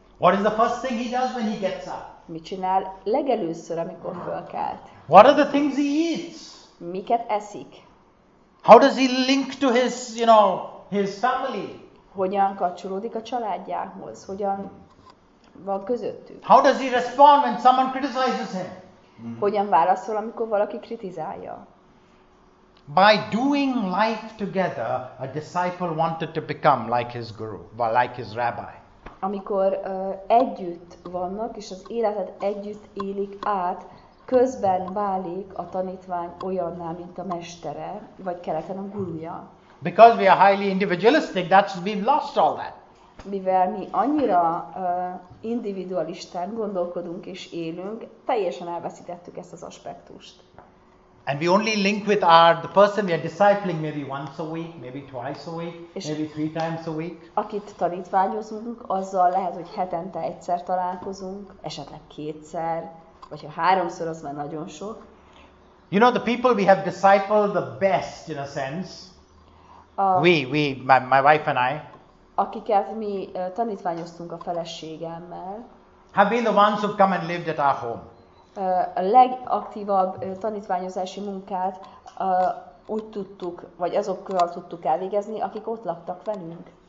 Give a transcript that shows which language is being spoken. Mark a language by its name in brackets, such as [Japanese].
[English] What is the first thing he does when he gets up? [Hungarian] Mit csinál legelőször, amikor fölkelt? [English] What are the things he eats? [Hungarian] Miket eszik? [English] How does he link to his family? [Hungarian] Hogyan kapcsolódik a családjához? Hogyan van közöttük? [English] How does he respond when someone criticizes him? [Hungarian] Hogyan válaszol, amikor valaki kritizálja? [English] By doing life together, a disciple wanted to become like his guru, like his rabbi. [Hungarian] Amikor együtt vannak, és az életet együtt élik át, közben válik a tanítvány olyanná, mint a mestere, vagy keleten a gurúja. [English] Because we are highly individualistic, that's we've lost all that. [Hungarian] Mivel mi annyira individualisten gondolkodunk és élünk, teljesen elveszítettük ezt az aspektust. [English] And we only link with the person we are discipling maybe once a week, maybe twice a week, maybe three times a week. [Hungarian] Akit tanítványozunk, azzal lehet, hogy hetente egyszer találkozunk, esetleg kétszer, vagy ha háromszor, az már nagyon sok. [English] You know, the people we have discipled the best, in a sense. My wife and I. [Hungarian] Akiket mi tanítványoztunk a feleségemmel. [English] Have been the ones who've come and lived at our home. [Hungarian] A legaktívabb tanítványozási munkát úgy tudtuk, vagy azokkal tudtuk elvégezni, akik ott laktak velünk.